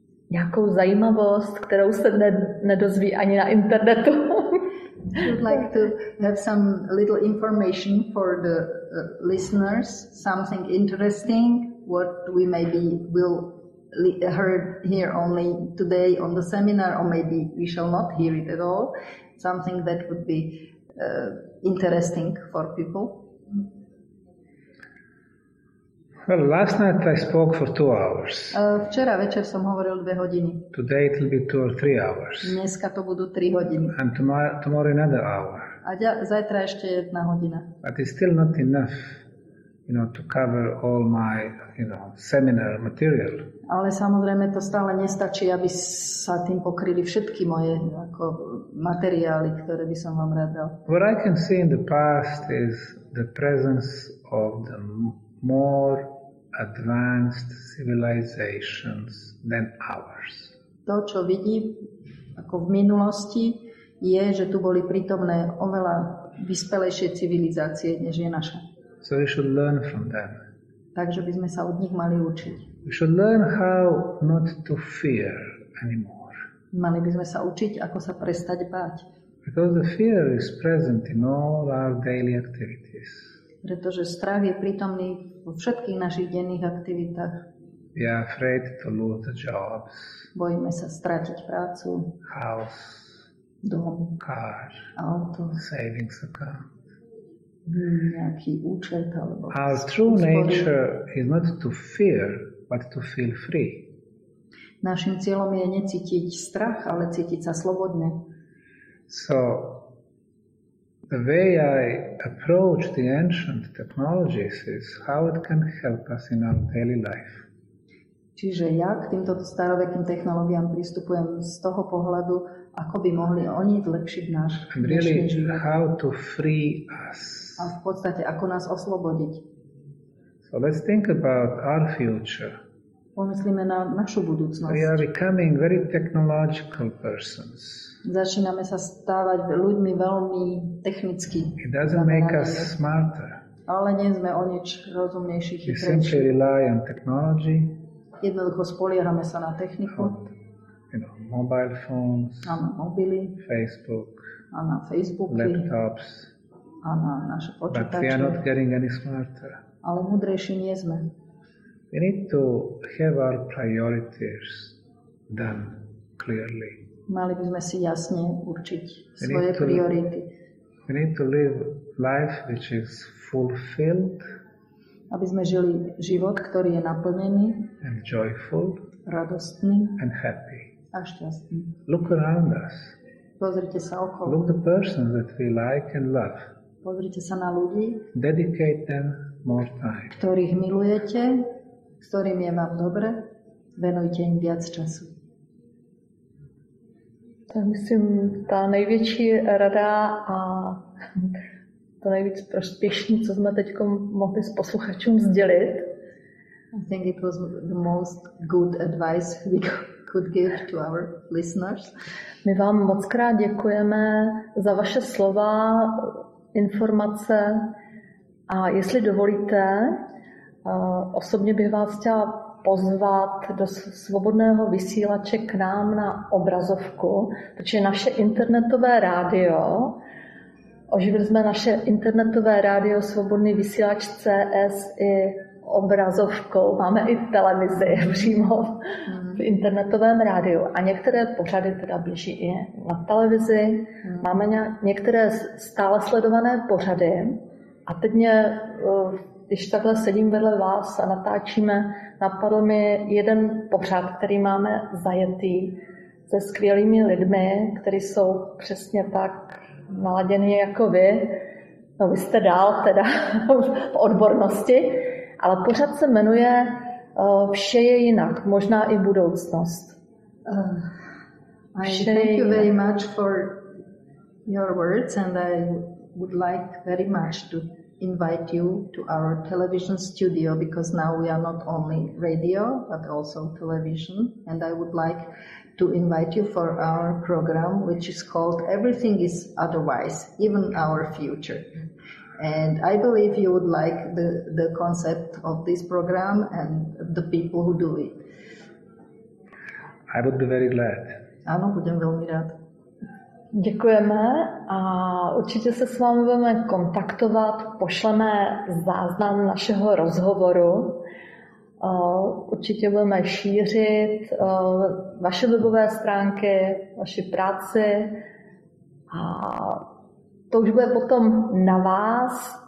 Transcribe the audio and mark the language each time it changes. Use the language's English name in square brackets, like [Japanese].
[Czech] Nějakou zajímavost, kterou se nedozví ani na internetu. [English] Would like to have some little information for the listeners, something interesting. What we maybe will heard here only today on the seminar, or maybe we shall not hear it at all. Something that would be interesting for people. Well, last night I spoke for 2 hours. [Slovak] Včera večer som hovoril 2 hodiny. [English] Today it will be 2 or 3 hours. [Slovak] Dneska to budú 3 hodiny. [English] And tomorrow another hour. [Slovak] A zajtra ešte 1 hodina. [English] But it's still not enough. To cover all my, seminar material. [Slovak] Ale samozrejme to stále nestačí, aby sa tým pokryli všetky moje ako materiály, ktoré by som vám rád dal. [English] What I can see in the past is the presence of the more advanced civilizations than ours. [Slovak] To, čo vidím ako v minulosti, je, že tu boli prítomné oveľa vyspelejšie civilizácie, než je naša. [English] So we should learn from them. [Slovak] Takže by sme sa od nich mali učiť. [English] We should learn how not to fear anymore. [Slovak] Mali by sme sa učiť, ako sa prestať báť. [English] Because the fear is present in all our daily activities. [Slovak] Pretože strach je prítomný vo všetkých našich denných aktivitách. [English] We are afraid to lose the jobs. [Slovak] Bojíme sa stratiť prácu. [English] House. [Slovak] Dom. [English] Car. [Slovak] Auto. [English] Savings account. [Slovak] Nejaký účet alebo [English] our true nature is not to fear, but to feel free. [Slovak] Našim cieľom je necítiť strach, ale cítiť sa slobodne. [English] So the way I approach the ancient technologies is how it can help us in our daily life. [Slovak] Čiže ja k týmto starovekým technológiám pristupujem z toho pohľadu, ako by mohli oni zlepšiť náš [English] really, [Slovak] život. [English] How to free us. [Slovak] A v podstate, ako nás oslobodiť. [English] So let's think about our future. [Slovak] Pomyslíme na našu budúcnosť. [English] We are becoming very technological persons. [Slovak] Začíname sa stávať ľuďmi veľmi technicky. [English] It doesn't make us smarter. [Slovak] Ale nie sme o nič rozumnejší, chytrejší. [English] We simply rely on technology. [Slovak] Jednoducho spoliehame sa na techniku. [English] Mobile phones. [Slovak] A na mobily. [English] Facebook. [Slovak] A na Facebooky. [English] Laptops. [Slovak] A na naše počítače. [English] But we are not getting any smarter. [Slovak] Ale múdrejší nie sme. [English] We need to have our priorities done clearly. [Slovak] Mali by sme si jasne určiť svoje priority. [English] We need to live life which is fulfilled. [Slovak] Aby sme žili život, ktorý je naplnený. [English] And joyful. [Slovak] Radostný. [English] And happy. [Slovak] A šťastný. [English] Look around us. [Slovak] Pozrite sa okolo. [English] Look the persons that we like and love. [Slovak] Pozrite sa na ľudí. [English] Dedicate them more time. [Slovak] Ktorých milujete, ktorým je vám dobre, venujte im viac času. [Czech] Tak myslím, tá největší rada a to nejvíc prospěšný, co jsme teď mohli s posluchačům sdělit. [English] I think it was the most good advice we could give to our listeners. [Czech] My vám moc krát děkujeme za vaše slova, informace a jestli dovolíte, osobně bych vás chtěla pozvat do svobodného vysílače k nám na obrazovku, protože naše internetové rádio, oživili jsme naše internetové rádio Svobodný vysílač CS i obrazovkou, máme i televizi přímo v internetovém rádiu a některé pořady teda běží i na televizi, máme některé stále sledované pořady a teď mě, když takhle sedím vedle vás a natáčíme, napadl mi jeden pořad, který máme zajetý se skvělými lidmi, kteří jsou přesně tak naladěni jako vy. No, vy jste dál teda v odbornosti, ale pořad se jmenuje Vše je jinak, možná i budoucnost. [English] Thank you very much for your words and I would like very much to invite you to our television studio because now we are not only radio but also television and I would like to invite you for our program which is called Everything is Otherwise, Even Our Future. And I believe you would like the concept of this program and the people who do it. I would be very glad. [Slovak] Ano, budem veľmi rád. [Czech] Děkujeme a určitě se s vámi budeme kontaktovat, pošleme záznam našeho rozhovoru. Určitě budeme šířit vaše webové stránky, vaši práci a to už bude potom na vás.